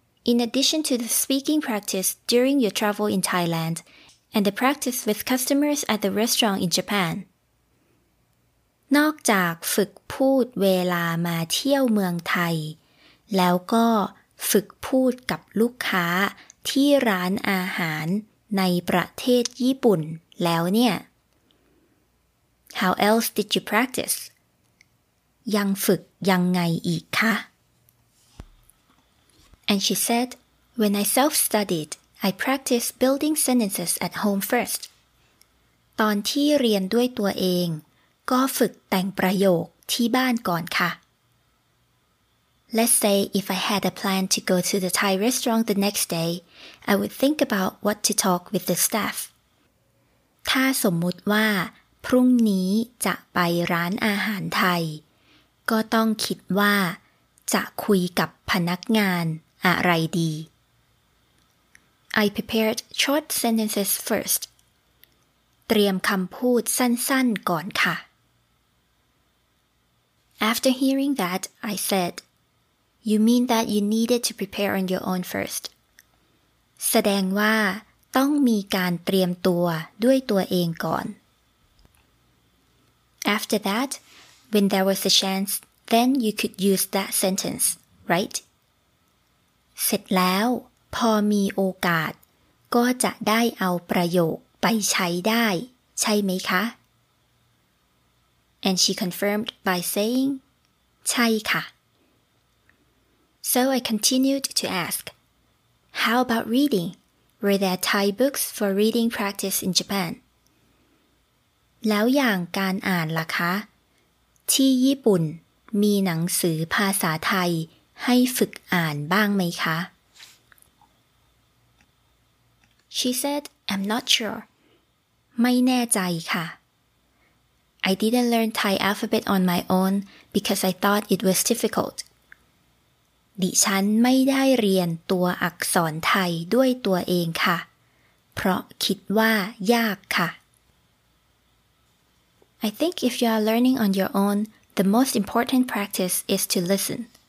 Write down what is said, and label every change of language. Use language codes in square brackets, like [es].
[en] In addition to the speaking practice during your travel in Thailand and the practice with customers at the restaurant in Japan, [th] นอกจากฝึกพูดเวลามาเที่ยวเมืองไทยแล้วก็ฝึกพูดกับลูกค้าที่ร้านอาหารในประเทศญี่ปุ่นแล้วเนี่ย [en] How else did you practice? [th] ยังฝึกยังไงอีกคะ [en] And she said, when I self-studied, I practiced building sentences at home first. [th] ตอนที่เรียนด้วยตัวเองก็ฝึกแต่งประโยคที่บ้านก่อนค่ะ [en] Let's say if I had a plan to go to the Thai restaurant the next day, I would think about what to talk with the staff. [th] ถ้าสมมุติว่าพรุ่งนี้จะไปร้านอาหารไทยก็ต้องคิดว่าจะคุยกับพนักงานอะไรดี [en] I prepared short sentences first. [th] เตรียมคำพูดสั้นๆก่อนค่ะ [en] After hearing that, I said, You mean that you needed to prepare on your own first? [th] แสดงว่าต้องมีการเตรียมตัวด้วยตัวเองก่อน [en] After that, when there was a chance, then you could use that sentence, right? [th] เสร็จแล้วพอมีโอกาสก็จะได้เอาประโยคไปใช้ได้ใช่ไหมคะ [en] And she confirmed by saying [th] ใช่ค่ะ [en] So I continued to ask How about reading? Were there Thai books for reading practice in Japan? [th] แล้วอย่างการอ่านล่ะคะที่ญี่ปุ่นมีหนังสือภาษาไทยให้ฝึกอ่านบ้างไหมคะ [en] She said, I'm not sure. [th] ไม่แน่ใจค่ะ [en] I didn't learn Thai alphabet on my own because I thought it was difficult. [th] ดิฉันไม่ได้เรียนตัวอักษรไทยด้วยตัวเองค่ะเพราะคิดว่ายากค่ะ [en] I think if you are learning on your own, the most important practice is to listen.